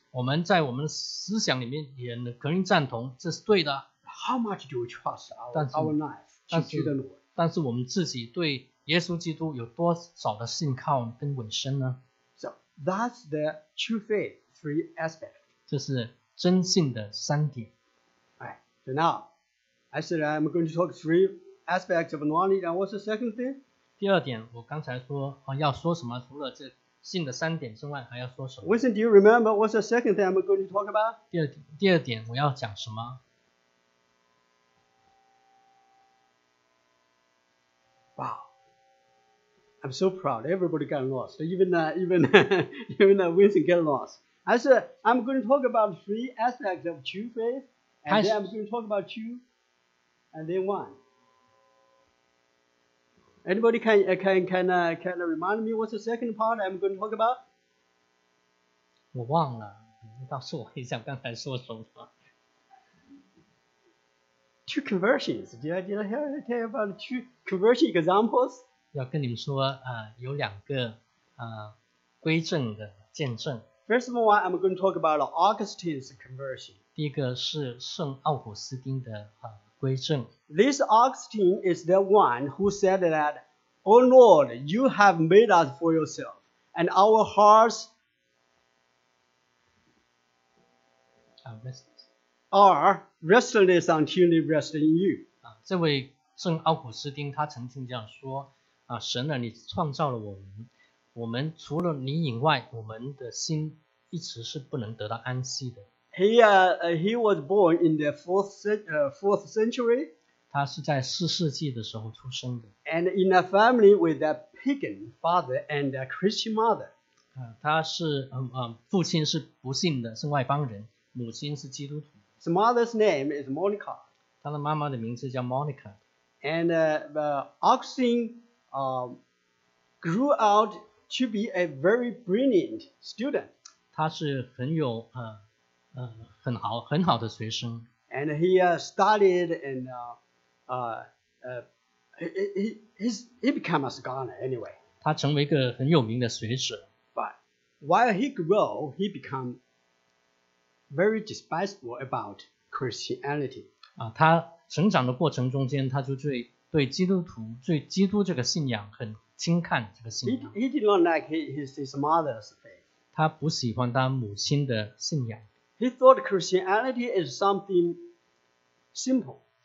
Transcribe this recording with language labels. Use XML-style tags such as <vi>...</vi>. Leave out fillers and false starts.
<zh>我们在我们思想里面也可以赞同这是对的。</zh> <en>How much do we trust our life to the Lord?</en> <zh>但是我们自己对耶稣基督有多少的信靠跟稳身呢？</zh> <en>So that's the true faith three aspect.</en> <zh>这是真信的三点。</zh> <en>Right. So now, I said I'm going to talk three aspects of knowledge. And what's the second thing?</en> <zh>第二点，我刚才说要说什么？除了这信的三点之外，还要说什么</zh> <en>？Wilson, do you remember what's the second thing I'm going to talk about?</en> <zh>第二点，我要讲什么</zh> <en>？Wow, I'm so proud. Everybody got lost. Even Wilson get lost. I said I'm going to talk about three aspects of true faith, and then I'm going to talk about two, and then one. Anybody can remind me what's the second part I'm going to talk about?</en> <zh>我忘了，倒是我一想刚才说什么。</zh> <en>Two conversions. Did I hear tell about two conversion examples?</en> <zh>要跟你们说，有两个归正的见证。</zh> <en>First of all, I'm going to talk about Augustine's conversion.</en> <zh>第一个是圣奥古斯丁的归正。</zh> <en>This Augustine is the one who said that, O Lord, you have made us for yourself, and our hearts are restless until they rest in you.</en> <zh>这位圣奥古斯丁他曾经这样说，神啊，你创造了我们，我们除了你以外，我们的心一直是不能得到安息的。</zh> <en>He was born in the fourth century.</en> <zh>他是在四世纪的时候出生的。</zh> <en>And in a family with a pagan father and a Christian mother.</en> <zh>他是父亲是不信的，是外邦人，母亲是基督徒。</zh> <en>His mother's name is Monica.</en> <zh>他的妈妈的名字叫 Monica.</zh> <en>And the Augustine grew out to be a very brilliant student.</en> <zh>他是很有很好，很好的学生。</zh> <en>And he studied and he became a scholar anyway.</en> <zh>他成为一个很有名的学者。</zh> <en>But while he grew, he became very despiteful about Christianity.</en> <zh>他成长的过程中间，他就对基督徒、对基督这个信仰很轻看这个信仰。</zh> <en>He did not like his mother's faith.</en> <zh>他不喜欢他母亲的信仰。</zh> <en>He thought Christianity is something simple.</en>